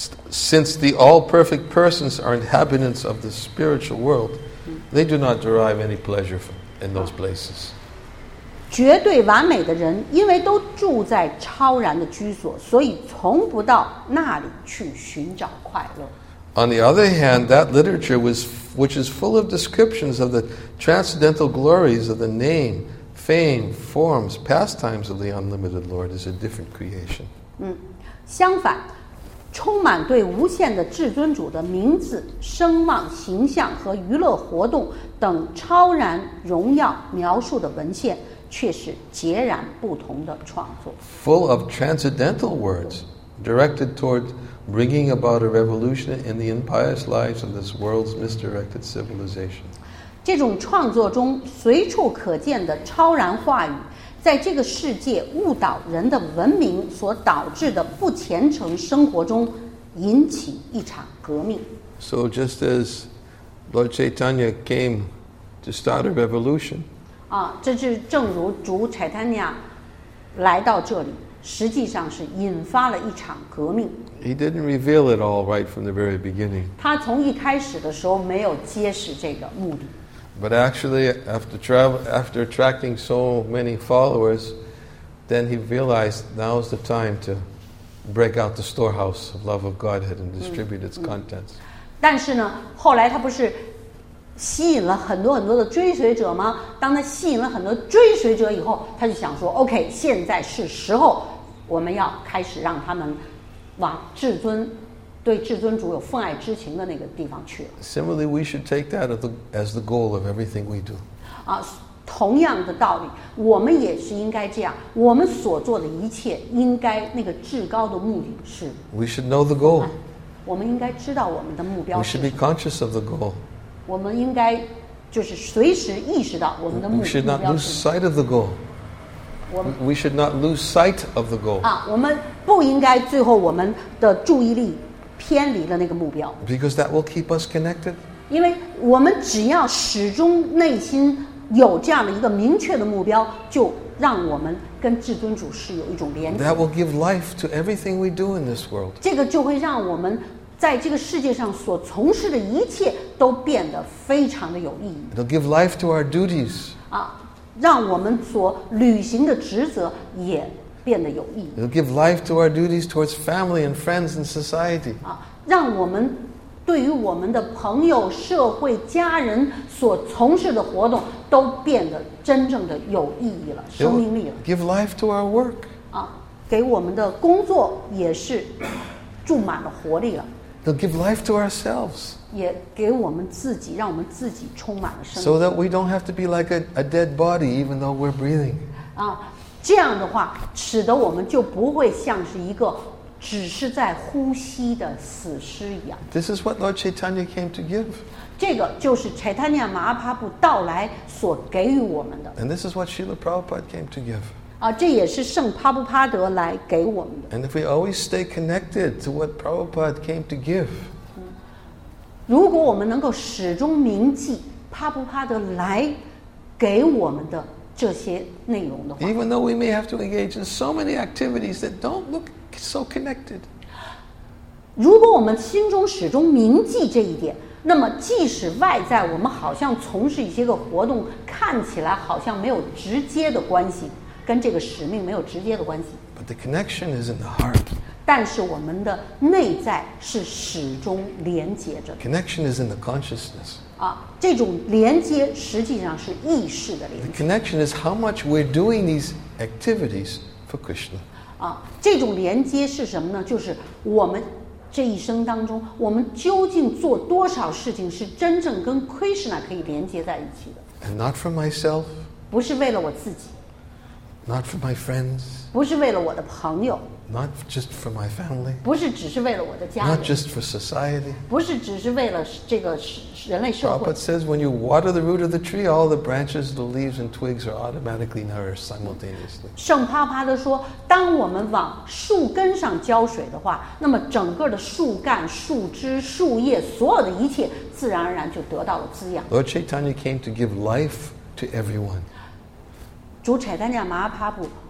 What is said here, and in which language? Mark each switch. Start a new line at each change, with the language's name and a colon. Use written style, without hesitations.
English: Since the all perfect persons are inhabitants of the spiritual world, they do not derive any pleasure from in those places.
Chinese: 绝对完美的人，因为都住在超然的居所，所以从不到那里去寻找快乐。
English: On the other hand, that literature was, which is full of descriptions of the transcendental glories of the name, fame, forms, pastimes of the unlimited Lord, is a different creation.
Chinese: 相反，充满对无限的至尊主的名字、声望、形象和娱乐活动等超然荣耀描述的文献，却是截然不同的创作。
English: Full of transcendental words directed toward bringing about a revolution in the impious lives of this world's misdirected civilization.
Chinese: 这种创作中随处可见的超然话语，在这个世界误导人的文明所导致的不虔诚生活中引起一场革命。
English: So just as Lord Chaitanya came to start a revolution.
Chinese: 这是正如主 Chaitanya 来到这里，实际上是引发了一场革命。
English: He didn't reveal it all right from the very beginning.
Chinese: 他从一开始的时候没有揭示这个目的。
English: But actually, after attracting so many followers, then he realized now is the time to break out the storehouse of love of Godhead and distribute its contents.
Chinese: 但是呢，后来他不是吸引了很多很多的追随者吗？当他吸引了很多追随者以后，他就想说 ，OK， 现在是时候，我们要开始让他们往至尊。对至尊主有奉爱之情的那个地方去了。
English: Similarly, we should take that as the goal of everything we do.
Chinese: 同样的道理，我们也是应该这样。我们所做的一切，应该那个至高的目的是。
English: We should know the goal.
Chinese: 我们应该知道我们的目标。
English: We should be conscious of the goal.
Chinese: 我们应该就是随时意识到我们的目标。
English: We should not lose sight of the goal. We should not lose sight of the goal.
Chinese: 我们不应该最后我们的注意力。偏离了那个目标。
English: Because that will keep us connected.
Chinese: 因为我们只要始终内心有这样的一个明确的目标，就让我们跟至尊主是有一种连接。
English: That will give life to everything we do in this world.
Chinese: 这个就会让我们在这个世界上所从事的一切都变得非常的有意义。
English: It'll give life to our duties.
Chinese: 让我们所履行的职责也。
English: It'll give life to our duties towards family and friends and society.
Chinese: 让我们对于我们的朋友、社会、家人所从事的活动都变得真正的有意义了，生命力了。
English: Give life to our work.
Chinese: 给我们的工作也是注满了活力了。
English: It'll give life to ourselves.
Chinese: 也给我们自己，让我们自己充满了生命。
English: So that we don't have to be like a dead body, even though we're breathing.
Chinese: 这样的话，使得我们就不会像是一个只是在呼吸的死尸一样。
English: This is what Lord Chaitanya came to give.
Chinese: 这个就是 Chaitanya Mahaprabhu 到来所给予我们的。
English: And this is what Srila Prabhupada came to give.
Chinese: 这也是圣帕布帕德来给我们的。
English: And if we always stay connected to what Prabhupada came to give.
Chinese: 如果我们能够始终铭记帕布帕德来给我们的这些内容的话，
English: Even though we may have to engage in so many activities that don't look so connected.
Chinese: 如果我们心中始终铭记这一点，那么即使外在我们好像从事一些个活动，看起来好像没有直接的关系，跟这个使命没有直接的关系。
English: But the connection is in the heart.
Chinese: 但是我们的内在是始终连接着的。
English: Connection is in the consciousness.
Chinese: 这种连接实际上是意识的连接。
English: The connection is how much we're doing these activities for Krishna.
Chinese: 这种连接是什么呢？就是我们这一生当中，我们究竟做多少事情是真正跟 Krishna 可以连接在一起的。
English: And not for myself.
Chinese: 不是为了我自己。
English: Not for my friends.
Chinese: 不是为了我的朋友。
English: Not just for my family.
Chinese: 不是只是为了我的家人。
English: Not just for society.
Chinese: 不是只是为了这个人类社会。
English: Prabhupada says, when you water the root of the tree, all the branches, the leaves and twigs are automatically nourished simultaneously.
Chinese: 圣帕帕的说，当我们往树根上浇水的话，那么整个的树干、树枝、树叶，所有的一切，自然而然就得到了滋养。
English: Lord Chaitanya came to give life to everyone.
Chinese: 主柴丹尼亚马帕布。